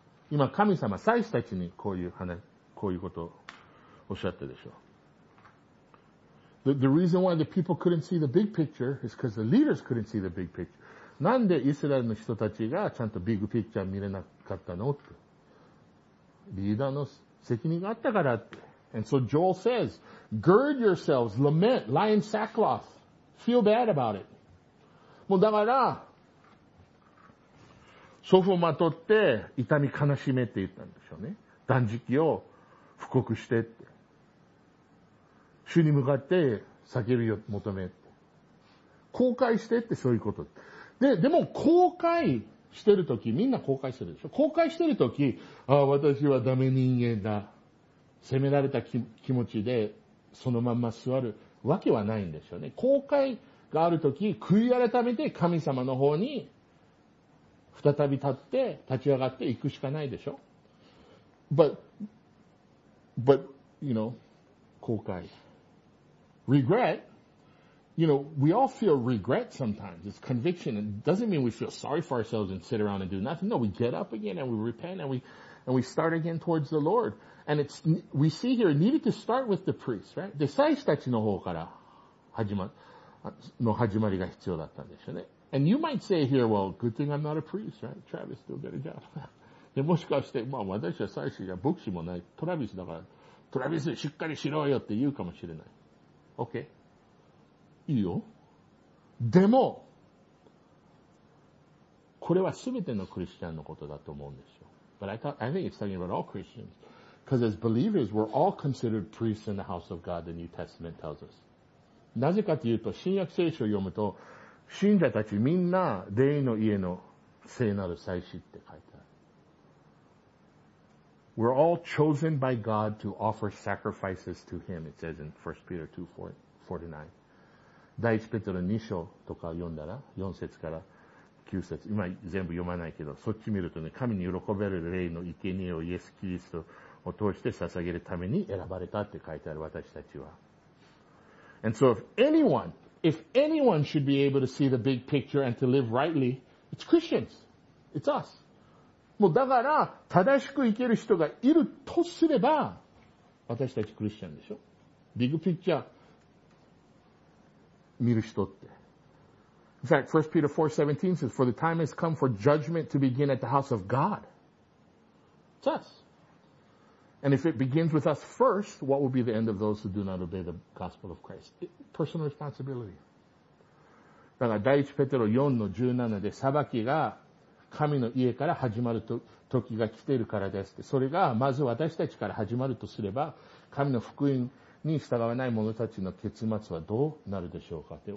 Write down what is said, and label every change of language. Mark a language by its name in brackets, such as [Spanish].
[Japanese] 今神様、祭司たちにこういう話、こういうことをおっしゃってでしょう。 [English] The reason why the people couldn't see the big picture is because the leaders couldn't see the big picture. [Japanese] なんでイスラエルの人たちがちゃんとビッグピクチャー見れなかったの? リーダーの責任があったからって。 [English] And so Joel says, gird yourselves, lament, lie in sackcloth. Feel bad about it. [Japanese] もうだから、祖父をまとって痛み悲しめって言ったんでしょうね。断食を布告してって。主に向かって叫びを求めって。後悔してってそういうこと。で、でも後悔してるとき、みんな後悔してるでしょ。後悔してるとき、ああ、私はダメ人間だ。責められた気持ちでそのまま座るわけはないんですよね。後悔があるとき、悔い改めて神様の方に再び立って、立ち上がって行くしかないでしょ。 [English] But, you know, 後悔。 Regret, you know, we all feel regret sometimes. It's conviction. It doesn't mean we feel sorry for ourselves and sit around and do nothing. No, we get up again and we repent and we start again towards the Lord. And it's, we see here, it needed to start with the priests, right? [Japanese] で、祭司たちの方から始まりが必要だったんですよね。 [English] And you might say here, well, good thing I'm not a priest, right? Travis, still get a job. [Japanese] で、もしかして、まあ私は祭司じゃ牧師もない。トラビスだから、トラビスしっかりしろよって言うかもしれない。 OK? いいよ。でも、これは全てのクリスチャンのことだと思うんですよ。 [English] But I think it's talking about all Christians. Because as believers, we're all considered priests in the house of God, the New Testament tells us. [Japanese] なぜかというと、新約聖書を読むと、信者たちみんな、霊の家の聖なる祭司って書いてある。 [English] We're all chosen by God to offer sacrifices to Him, it says in 1 Peter 2:49. [Japanese] 第1ペテロ2章とか読んだら、4節から9節、今全部読まないけど、そっち見るとね、神に喜べる霊の生贄をイエス・キリストを通して捧げるために選ばれたって書いてある、私たちは。 [English] And so if anyone should be able to see the big picture and to live rightly, it's Christians. It's us. [Japanese] もうだから、正しく生ける人がいるとすれば、私たちクリスチャンでしょ。ビッグピクチャー見る人って。 [English] In fact, 1 Peter 4:17 says, For the time has come for judgment to begin at the house of God. It's us. And if it begins with us first, what will be the end of those who do not obey the gospel of Christ? Personal responsibility. [Japanese] だから第1ペテロ4の17で裁きが神の家から始まる時が来ているからですって。それがまず私たちから始まるとすれば、神の福音に従わない者たちの結末はどうなるでしょうかって。